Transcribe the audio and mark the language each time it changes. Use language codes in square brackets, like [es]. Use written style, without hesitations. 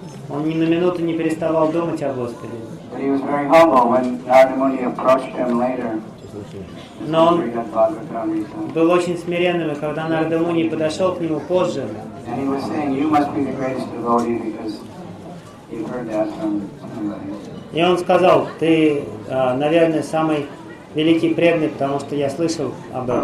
[ru] Он ни на минуту не переставал думать о Господе. [en] But he was very humble when Narada Muni approached him later. [ru] Но он был очень смиренным, и когда Нарада Муни подошел к нему позже. [en] And he was saying, "You must be the greatest devotee because you heard that from somebody." [ru] И он сказал, "Ты, наверное, самый великий преданный, потому что я слышал об этом."